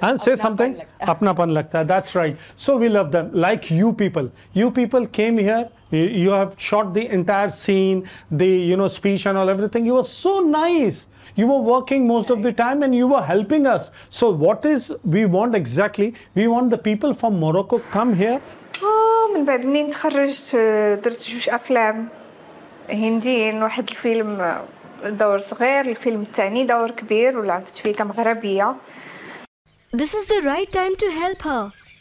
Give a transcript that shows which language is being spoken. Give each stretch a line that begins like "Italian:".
English: And say something,
Hindi: apnapan lagta.
English: That's right. So we love them, like you people. You people came here, you have shot the entire scene, the, you know, speech and all everything. You were so nice. You were working most of the time and you were helping us. So what is we want exactly? We want the people from Morocco come here.
Arabic: Oh, من بعد منين تخرجت درت جوج افلام هنديين، واحد الفيلم دور صغير، الفيلم الثاني دور كبير، ولعبت فيه كمغربيه.
English: This is the right time to help her.